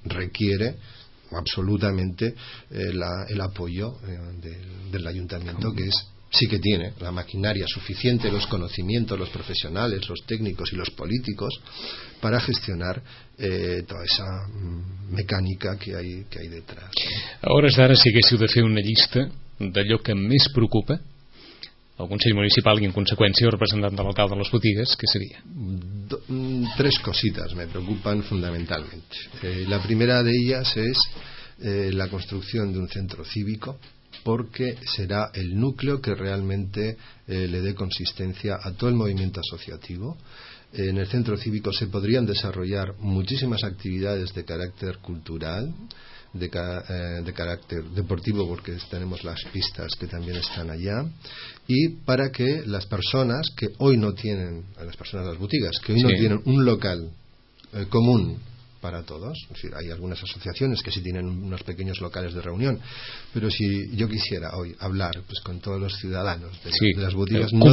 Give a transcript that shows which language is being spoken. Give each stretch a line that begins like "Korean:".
Spanish: Requiere absolutamente el apoyo del ayuntamiento, que es sí que tiene la maquinaria suficiente, los conocimientos, los profesionales, los técnicos y los políticos para gestionar toda esa
Catalan: mecànica que hi ha
Spanish: detrás.
Catalan: A hores d'ara, si haguéssiu de fer una llista d'allò que més preocupa el Consell Municipal i, en conseqüència, el representant de l'alcalde de les botigues, què seria?
Spanish: Tres cositas me preocupen fundamentalment. La primera de ellas es la construcción de un centro cívico, porque será el núcleo que realmente le dé consistencia a todo el movimiento asociativo. en el centro cívico se podrían desarrollar muchísimas actividades de carácter cultural, de carácter deportivo, porque tenemos las pistas que también están allá, y para que las personas que hoy no tienen, las personas de las boutiques, que hoy sí. no tienen un local común para todos, es decir, hay algunas asociaciones que sí tienen unos pequeños locales de reunión, pero si yo quisiera hoy hablar pues con todos los ciudadanos de, sí. de las boutiques,